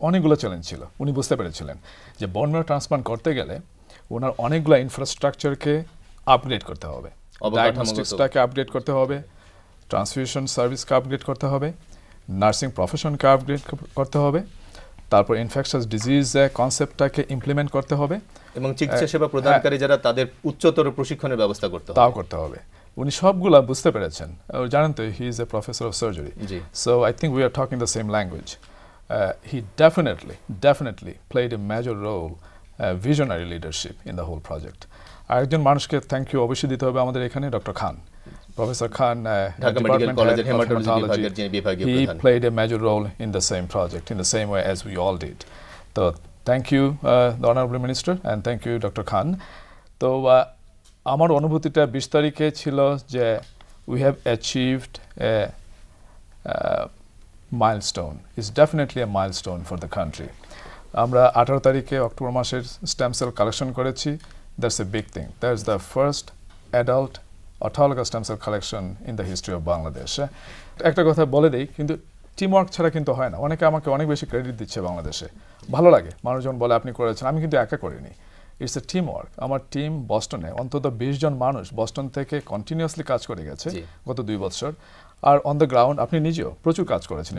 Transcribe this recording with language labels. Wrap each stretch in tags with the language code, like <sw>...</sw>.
<bn>অনেকগুলো চ্যালেঞ্জ ছিল, উনি বুঝতে পেরেছিলেন যে বোন ম্যারো ট্রান্সপ্লান্ট করতে গেলে ওনার অনেকগুলো ইনফ্রাস্ট্রাকচারকে আপগ্রেড করতে হবে, ডায়াগনস্টিক্সটাকে আপগ্রেড করতে হবে, ট্রান্সফিউশন সার্ভিসকে আপগ্রেড করতে হবে, নার্সিং প্রফেশনকে আপগ্রেড করতে হবে, তারপর ইনফেকশাস ডিজিজ কনসেপ্টটাকে ইমপ্লিমেন্ট করতে হবে এবং চিকিৎসা সেবা প্রদানকারী যারা তাদের উচ্চতর প্রশিক্ষণের ব্যবস্থা করতে হবে তাও করতে হবে। উনি সবগুলো বুঝতে পেরেছেন, জানেন তো</bn> <en>He is a professor of surgery, so I think we are talking the same language. He definitely played a major role visionary leadership in the whole project.</en> <bn>আরেকজন মানুষকে থ্যাংক ইউ অবশ্যই দিতে হবে আমাদের এখানে ডক্টর খান প্রফেসর খান Dhaka medical কলেজের haematology বিভাগের যিনি বিভাগীয়</bn> <en>প্রধান he played a major role in the same project in the same way as we all did তো thank you the honourable minister and thank you doctor Khan</en> <bn>তো আমার অনুভূতিটা 20 তারিখে ছিল যে</bn> <en>we have achieved a milestone it's definitely a milestone for the country</en> <bn>আমরা 18 তারিখে October মাসের স্ট্যাম্প সেল কালেকশন করেছি</bn> <en>That's a big thing. That's the first adult autologous stem cell collection in the history of Bangladesh.</en> <bn>একটা কথা বলে দেই কিন্তু teamwork ছাড়া কিন্তু হয় না অনেকে আমাকে অনেক বেশি ক্রেডিট দিচ্ছে বাংলাদেশে ভালো লাগে মানুষজন বলে আপনি করেছেন আমি কিন্তু একা করিনি</bn> <en>it's a teamwork</en> <bn>আমার টিম বস্টনে অন্তত 20 জন মানুষ বস্টন থেকে কন্টিনিউয়াসলি কাজ করে গেছে গত 2 বছর আর</bn> <en>on the ground</en> <bn>আপনি নিজেও প্রচুর কাজ করেছেন</bn>